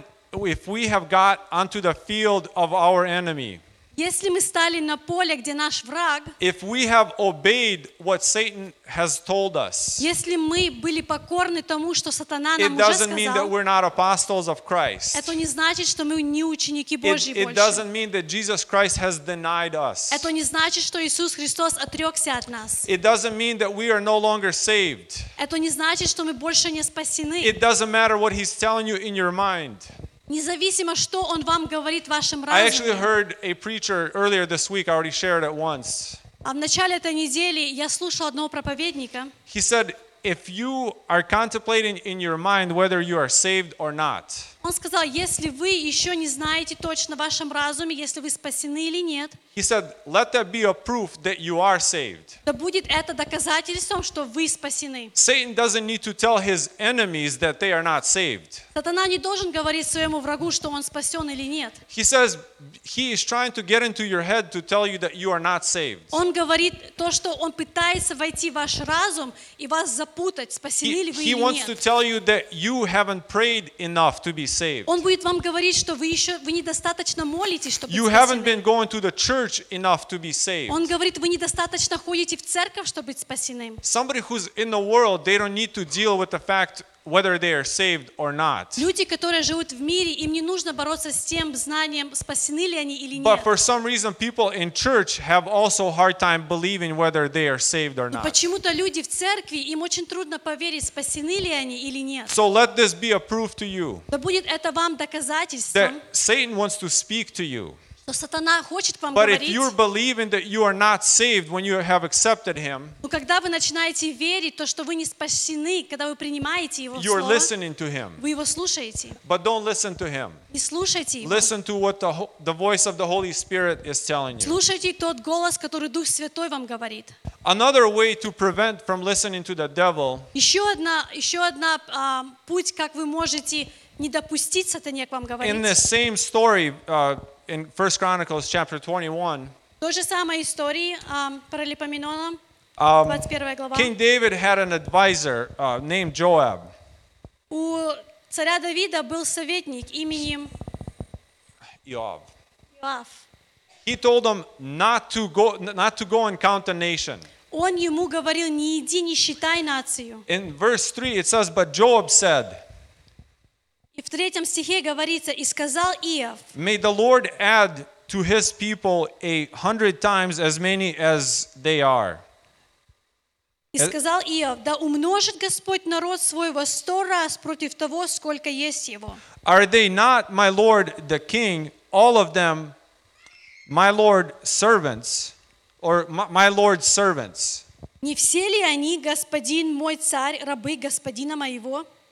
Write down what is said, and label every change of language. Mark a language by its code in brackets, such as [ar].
[en] If we have got onto the field of our enemy. [ru] Если мы стали на поле, где наш враг, [en] if we have obeyed what Satan has told us, [ru] если мы были покорны тому, что сатана нам уже сказал, [en] it doesn't mean that we're not apostles of Christ. [ru] Это не значит, что мы не ученики Божьи больше. [en] It doesn't mean that Jesus Christ has denied us. [ru] Это не значит, что Иисус Христос отрекся от нас. [en] It doesn't mean that we are no longer saved. [ru] Это не значит, что мы больше не спасены. [en] It doesn't matter what he's telling you in your mind. [ru] Независимо, что он вам говорит в вашем разуме. [en] I actually heard a preacher earlier this week. I already shared it once. [ru] А в начале этой недели я слушал одного проповедника. [en] He said, "If you are contemplating in your mind whether you are saved or not." [ru] Он сказал: "Если вы еще не знаете точно в вашем разуме, если вы спасены или нет." [en] He said, "Let that be a proof that you are saved." [ru] Да будет это доказательством, что вы спасены. [en] Satan doesn't need to tell his enemies that they are not saved. [ru] Сатана не должен говорить своему врагу, что он спасен или нет. [en] He says he is trying to get into your head to tell you that you are not saved. [ru] Он говорит то, что он пытается войти в ваш разум и вас запутать, спасены ли вы или нет. [en] He wants to tell you that you haven't prayed enough to be saved. [ru] Он будет вам говорить, что вы недостаточно молитесь, чтобы быть спасены. [en] You haven't been going to the church enough to be saved. [ru] Он говорит: "Вы недостаточно ходите в церковь, чтобы быть спасенным." [en] Somebody who's in the world, they don't need to deal with the fact whether they are saved or not. [ru] Люди, которые живут в мире, им не нужно бороться с тем знанием, спасены ли они или нет. [en] But for some reason, people in church have also a hard time believing whether they are saved or not. [ru] Почему-то люди в церкви, им очень трудно поверить, спасены ли они или нет. [en] So let this be a proof to you. [ru] Да будет это вам доказательством. [en] That Satan wants to speak to you. [ru] Но сатана хочет вам [en] But [ru] говорить. [en] But if you're believing that you are not saved when you have accepted him, [ru] но когда вы начинаете верить то, что вы не спасены, когда вы принимаете его слово, [en] you're listening to him. [ru] Вы его слушаете. [en] But don't listen to him. [ru] Не слушайте его. [en] Listen to what the voice of the Holy Spirit is telling you. [ru] Слушайте тот голос, который Дух Святой вам говорит. [en] Another way to prevent from listening to the devil. [ru] Еще одна путь, как вы можете не допустить сатане к вам говорить. [en] In the same story. In 1 Chronicles chapter 21. [ru] То же самое истории Паралипоменоном. 21 глава. [en] King David had an advisor named Joab. [ru] У царя Давида был советник именем Иоав. Иоав. [en] He told him not to go and count the nation. [ru] Он ему говорил: "Не иди, не считай нацию." [en] In verse 3 it says, but Joab said. [ru] И в третьем стихе говорится, и сказал Иов. [en] May the Lord add to his people 100 times as many as they are. [ru] И сказал Иов, да умножит Господь народ свой во 100 раз против того, сколько есть его. [en] Are they not, my Lord, the king, all of them, my Lord, servants, or my Lord's servants? [ru] Не все ли они, господин мой царь, рабы господина моего?